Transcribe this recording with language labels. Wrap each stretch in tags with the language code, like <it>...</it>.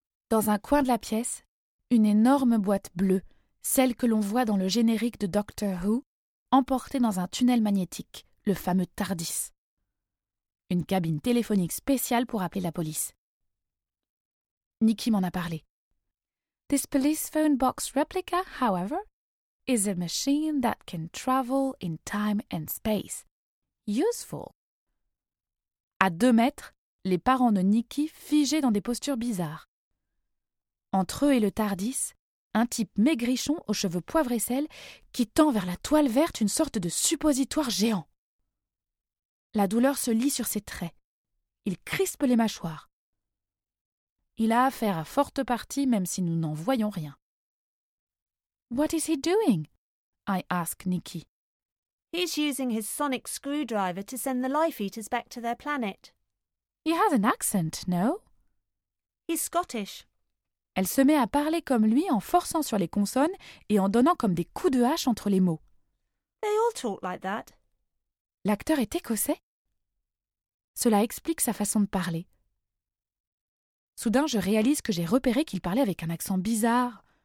<fr>Dans un coin de la pièce, une énorme boîte bleue, celle que l'on voit dans le générique de Doctor Who, emportée dans un tunnel magnétique, le fameux TARDIS. Une cabine téléphonique spéciale pour appeler la police. Nikki m'en a parlé.</fr> <en>This police phone box replica, however, is a machine that can travel in time and space. Useful.</en> <fr>À 2 mètres, les parents de Nikki figés dans des postures bizarres. Entre eux et le TARDIS, un type maigrichon aux cheveux poivre et sel qui tend vers la toile verte une sorte de suppositoire géant. La douleur se lit sur ses traits. Il crispe les mâchoires. Il a affaire à forte partie même si nous n'en voyons rien.</fr> <en>What is he doing? I ask Nikki. He's using his sonic screwdriver to send the Life Eaters back to their planet. He has an accent, no? He's Scottish.</en> <fr>Elle se met à parler comme lui en forçant sur les consonnes et en donnant comme des coups de hache entre les mots.</fr> <en>They all talk like that.</en> <fr>L'acteur est écossais. Cela explique sa façon de parler. Soudain, je réalise que j'ai repéré qu'il parlait avec un accent bizarre.</fr>